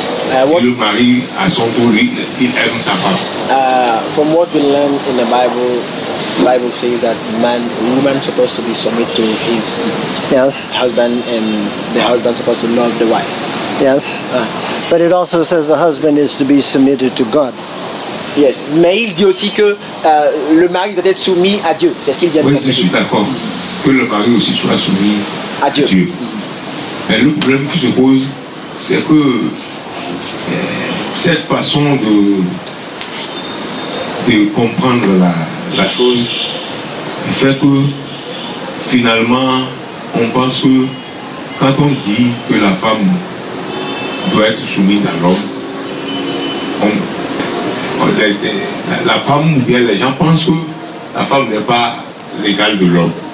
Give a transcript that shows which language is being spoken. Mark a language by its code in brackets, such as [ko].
[fr] Et le mari, à son tour, il aime sa femme. [en] From what we learn in the Bible, Bible says that man, woman supposed to be submit to his yes. husband, and the husband supposed to love the wife. Yes. But it also says the husband is to be submitted to God. Yes. [fr] Mais il dit aussi que le mari doit être soumis à Dieu. C'est ce qu'il vient oui, de dire. Oui, je suis d'accord. Que le mari aussi soit soumis à Dieu. À Dieu. Mais le problème qui se pose, c'est que cette façon de comprendre la chose fait que finalement, on pense que quand on dit que la femme doit être soumise à l'homme, la femme ou bien les gens pensent que la femme n'est pas l'égale de l'homme.